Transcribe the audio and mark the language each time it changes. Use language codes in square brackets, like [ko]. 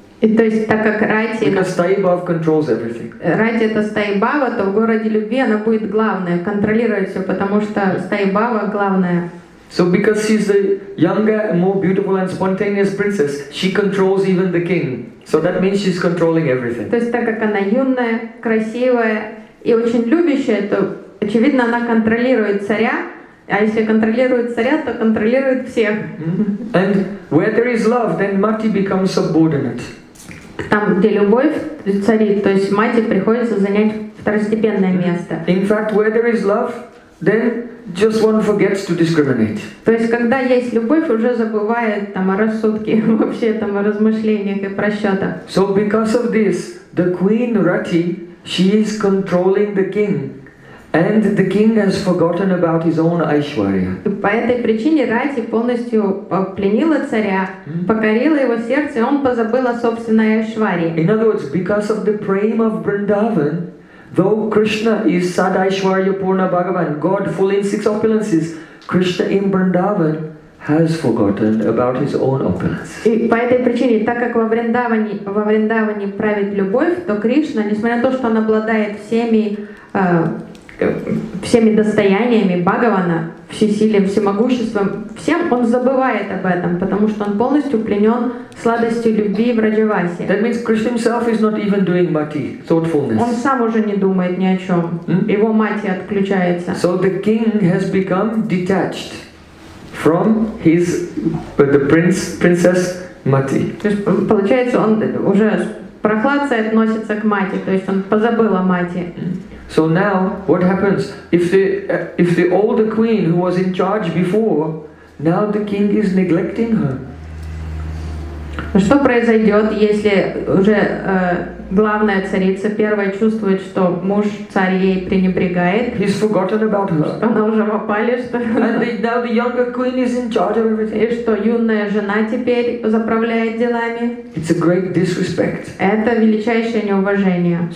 [ru] И то есть так как Рати. [en] Because sthayi bhava controls everything. [ru] Рати это sthayi bhava, то в городе любви она будет главная, контролирует все, потому что sthayi bhava главная. [en] So because she's a younger, more beautiful and spontaneous princess, she controls even the king. So that means she's controlling everything. [ru] То есть так как она юная, красивая и очень любящая, то очевидно она контролирует царя, а если контролирует царя, то контролирует всех. [en] And where there is love, then Mati becomes subordinate. [ru] Там, где любовь царит, то есть Мати приходится занять второстепенное место. [en] In fact, where there is love, then just one forgets to discriminate. [ru] То есть когда есть любовь, уже забывает там о рассудке, вообще там о размышлениях и просчетах. [en] So because of this, the queen Rati, she is controlling the king, and the king has forgotten about his own Aishwarya. [ru] По этой причине Рати полностью пленила царя, покорила его сердце, он позабыл о собственной Айшварье. [en] In other words, because of the prema of Vrindavan, though Krishna is Sad Aishwarya Purna Bhagavan, God full in six opulences, Krishna in Vrindavan has forgotten about his own opulences. [ru] И по этой причине, так как во Вриндаване правит любовь, то Кришна, несмотря на то, что он обладает всеми достояниями Бхагавана, всесилием, всемогуществом, всем он забывает об этом, потому что он полностью пленен сладостью любви в Раджавасе. [en] That means Krishna himself is not even doing mati, thoughtfulness. [ru] Он сам уже не думает ни о чем. Его мати отключается. [en] So the king has become detached from his the princess mati. [ru] Получается, он уже прохладцей относится к мати, то есть он позабыл о мати. [en] So now, what happens if the older queen who was in charge before, now the king is neglecting her? [ru] Что произойдет, если уже главная царица первая чувствует, что муж царь ей пренебрегает? [en] He's forgotten about her. [ru] Что она уже попали, что? [en] And the younger queen is in charge of everything. [ru] И что юная жена теперь заправляет делами? [en] It's a great disrespect. [ru] Это величайшее неуважение.